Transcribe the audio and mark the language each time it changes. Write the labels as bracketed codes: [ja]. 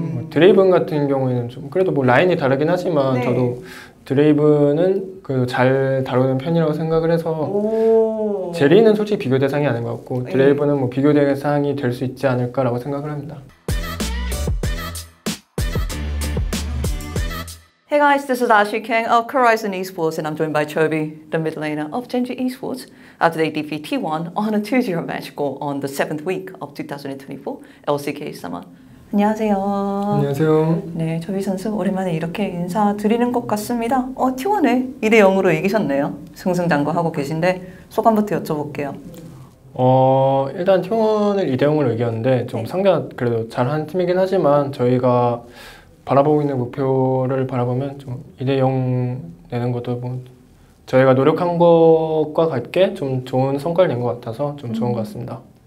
[ko] 드레이븐 같은 경우에는 좀 그래도 뭐 라인이 다르긴 하지만 저도 드레이븐은 그잘 다루는 편이라고 생각을 해서 제리는 솔직히 비교 대상이 아닌 것 같고 드레이븐은 뭐 비교 대상이 될수 있지 않을까라고 생각을 합니다. [en] Hey guys, this is Ashley King of Korizon Esports, and I'm joined by Chovy, the mid laner of Genji Esports, after they defeat T1 on a 2-0 match score on the 7th week of 2024 LCK Summer. [ko] 안녕하세요. 안녕하세요. 네, 조비 선수 오랜만에 이렇게 인사드리는 것 같습니다. T1에 2대 0으로 이기셨네요. 승승장구하고 계신데 소감부터 여쭤볼게요. 일단 T1을 2대 0으로 이겼는데 좀 상대가 그래도 잘한 팀이긴 하지만 저희가 바라보고 있는 목표를 바라보면 좀 2대 0 내는 것도 뭐 저희가 노력한 것과 같게 좀 좋은 성과를 낸것 같아서 좀 좋은 것 같습니다.